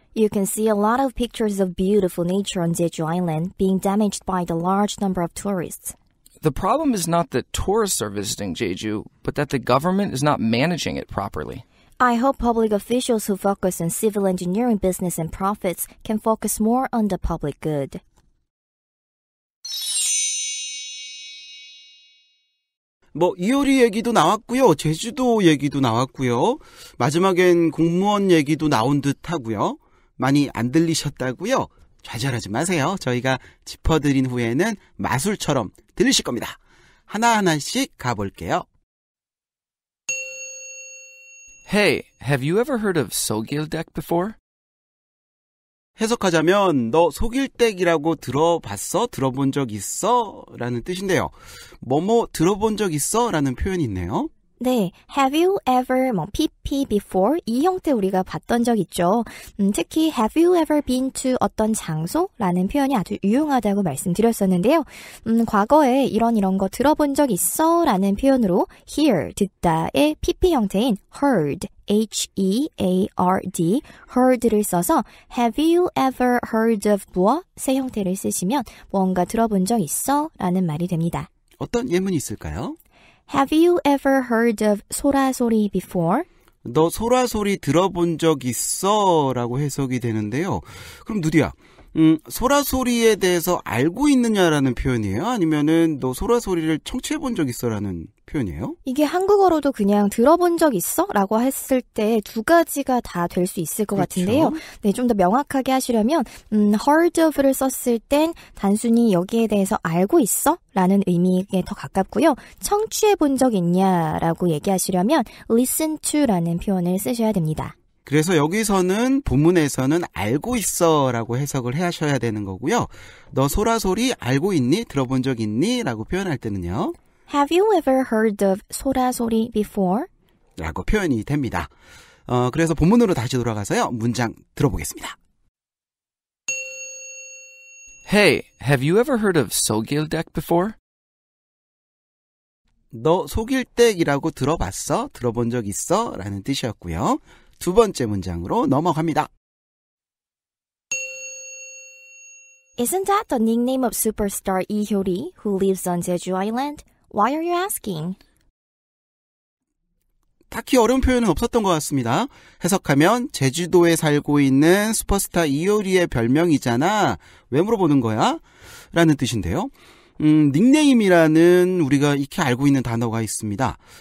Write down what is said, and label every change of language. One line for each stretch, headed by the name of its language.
English: You can see a lot of pictures of beautiful nature on Jeju Island being damaged by the large number of tourists. The problem is not that tourists are visiting Jeju, but that the government is not managing it properly. I hope public officials who focus on civil engineering business and profits can focus more on the public good. Well,
Korean: 이효리 얘기도 나왔고요. 제주도 얘기도 나왔고요. 마지막엔 공무원 얘기도 나온 듯 하고요. 많이 안 들리셨다고요? 좌절하지 마세요. 저희가 짚어드린 후에는 마술처럼 들리실 겁니다. 하나하나씩 가볼게요.
English: Hey, have you ever heard of So-gil-daek before?
Korean: 해석하자면 너 소길댁이라고 들어봤어? 들어본 적 있어? 라는 뜻인데요. 뭐뭐 들어본 적 있어? 라는 표현이 있네요. 네,
English: have you ever,
Korean: 뭐,
English: PP before?
Korean: 이 형태 우리가 봤던 적 있죠. 특히,
English: have you ever been to
Korean: 어떤 장소? 라는 표현이 아주 유용하다고 말씀드렸었는데요. 과거에 이런 거 들어본 적 있어? 라는 표현으로 hear, 듣다의 PP 형태인 heard, H-E-A-R-D, heard를 써서
English: have you ever heard of
Korean: 무엇의 형태를 쓰시면 뭔가 들어본 적 있어? 라는 말이 됩니다. 어떤 예문이 있을까요?
English: Have you ever heard of 소라소리 before?
Korean: 너 소라소리 들어본 적 있어? 라고 해석이 되는데요. 그럼 누디야, 소라소리에 대해서 알고 있느냐라는 표현이에요? 아니면은 너 소라소리를 청취해 본 적 있어? 라는 표현이에요? 이게 한국어로도 그냥 들어본 적 있어? 라고 했을 때 두 가지가 다 될 수 있을 것 그렇죠? 같은데요. 네, 좀 더 명확하게 하시려면 heard of를 썼을 땐 단순히 여기에 대해서 알고 있어? 라는 의미에 더 가깝고요. 청취해 본 적 있냐라고 얘기하시려면 listen to라는 표현을 쓰셔야 됩니다. 그래서 여기서는 본문에서는 알고 있어라고 해석을 하셔야 되는 거고요. 너 소라소리 알고 있니? 들어본 적 있니? 라고 표현할 때는요.
English: Have you ever heard of 소라소리 before?
Korean: 라고 표현이 됩니다. 그래서 본문으로 다시 돌아가서요. 문장 들어보겠습니다.
English: Hey, have you ever heard of 소길댁 before?
Korean: 너 소길댁이라고 들어봤어? 들어본 적 있어? 라는 뜻이었고요. 두 번째 문장으로 넘어갑니다.
English: Isn't that the nickname of superstar Lee Hyo-li who lives on Jeju Island? Why are you asking?
Korean: 딱히 어려운 표현은 없었던 것 같습니다. 해석하면 제주도에 살고 있는 슈퍼스타 이효리의 별명이잖아. 왜 물어보는 거야? 라는 뜻인데요. 닉네임이라는 우리가 익히 알고 있는 단어가 있습니다.